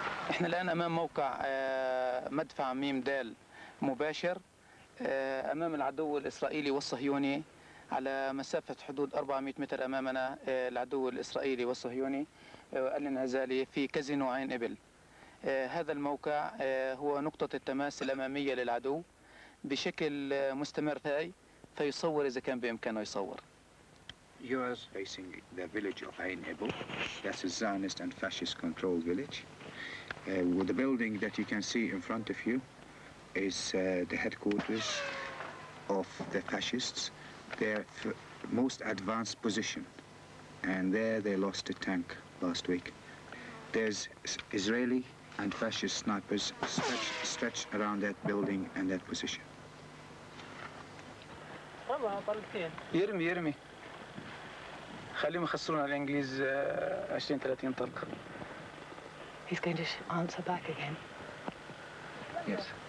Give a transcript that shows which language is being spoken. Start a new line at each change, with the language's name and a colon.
Arabic: احنا الان امام موقع مدفع ميم دال مباشر امام العدو الاسرائيلي والصهيوني على مسافه حدود 400 متر امامنا العدو الاسرائيلي والصهيوني الانعزالي في كازينو عين ابل هذا الموقع هو نقطه التماس الاماميه للعدو بشكل مستمر فاي فيصور اذا كان بامكانه يصور
English: You are facing the village of Ain Ebel. That's a Zionist and fascist controlled village. With the building that you can see in front of you is the headquarters of the fascists. Their most advanced position, and there they lost a tank last week. There's Israeli and fascist snipers stretched around that building and that position.
Arabic: يرمي يرمي خليهم يخسرون على الانجليز 20 30 طلقه.
English: He's going to answer back again. Yes.